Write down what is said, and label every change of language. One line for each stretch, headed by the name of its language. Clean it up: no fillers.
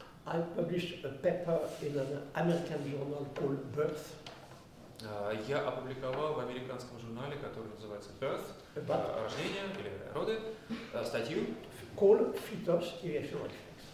English: I published a paper in an American journal called Birth.
Russian: Я опубликовал в американском журнале, который называется Birth, рождение или роды, статью
English: called Fetus Ejection Reflex.